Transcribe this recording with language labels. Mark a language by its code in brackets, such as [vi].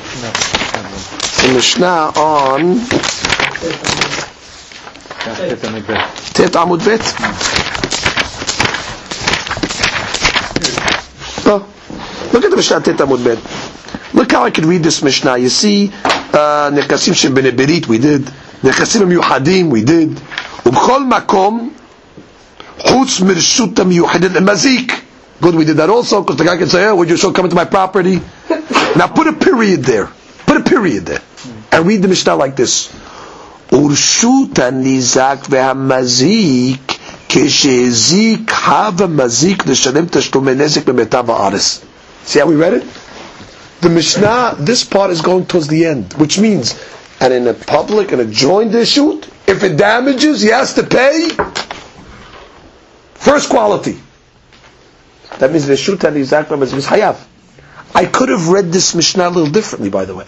[en] The Mishnah on Tet Amud Bet. Oh. Look at the Mishnah Tet Amud Bet. Look how I could read this Mishnah. You see, Nekasim Shem Bene Berit, we did. [he] נכסים המיוחדים, [en] we did. [he] ובכל מקום, חוץ מרשות המיוחדת למזיק. [en] Good, we did that also, because the guy can say, oh, would you still come into my property? Now put a period there. Put a period there. And read the Mishnah like this. [he] ורשות הניזק והמזיק, כשהזיק חב המזיק לשלם תשלומי נזק במיטב הארץ. [en] See how we read it? The Mishnah, this part is going towards the end, which means, and in a public, in a joint issue, if it damages, he has to pay first quality. That means the shoot and Isaac is hayav. I could have read this Mishnah a little differently, by the way.